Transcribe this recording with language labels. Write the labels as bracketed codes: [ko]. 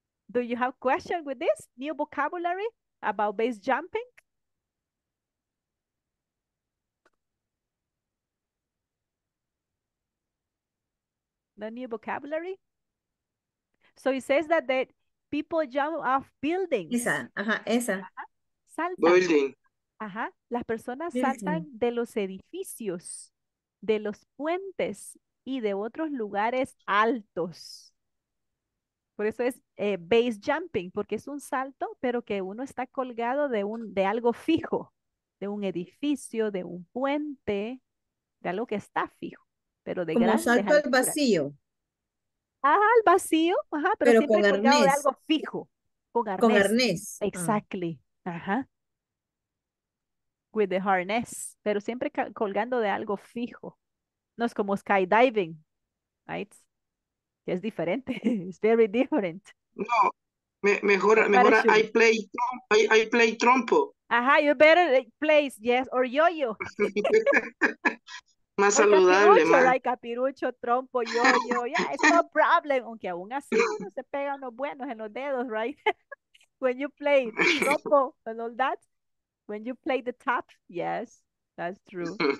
[en] Do you have questions with this new vocabulary about base jumping? The new vocabulary? So it says that people jump off buildings. [es] Esa, ajá, esa. Ajá. Saltan. [en] Building. [es] Ajá, las personas saltan de los edificios, de los puentes y de otros lugares altos. Por eso es base jumping, porque es un salto, pero que uno está colgado de algo fijo, de un edificio, de un puente, de algo que está fijo, pero de grandes alturas. Como salto al vacío. Ajá, al vacío, ajá, pero siempre con colgado arnés. De algo fijo. Con arnés. Con arnés. Exactly, ajá. [en] With the harness, [es] pero siempre colgando de algo fijo. No es como skydiving, right? Es diferente. [en] It's very different. [es] No, mejor [en] I play [es] trompo. [en] Ajá, you better play, yes, or yo-yo. [es] Más saludable, [en] man. Like capirucho, trompo, yo-yo, yeah, it's no problem. [es] Aunque aún así uno se pega unos buenos en los dedos, right? [en] When you play trompo and all that. When you play the top, yes, that's true.